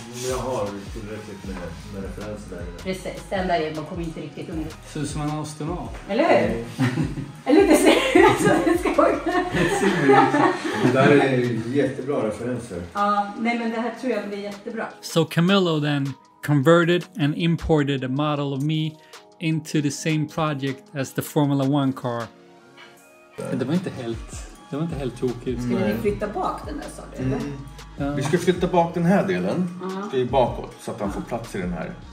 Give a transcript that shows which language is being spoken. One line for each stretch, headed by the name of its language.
Swedish: Jag har tillräckligt med referenser där. Precis, den där jobben kommer inte riktigt under. Ser ut som en astronaut. Eller hur? Eller hur ser du ut som en skog? Det där är jättebra referenser. Ja, nej men det här tror jag blir jättebra.
English: So Camillo then converted and imported a model of me into the same project as the Formula One car.
Swedish: Det var inte helt. Det var inte helt tokigt. Ska vi flytta bak den där, sa du, eller? Vi ska flytta bak den här delen. Det är bakåt så att han får plats i den här.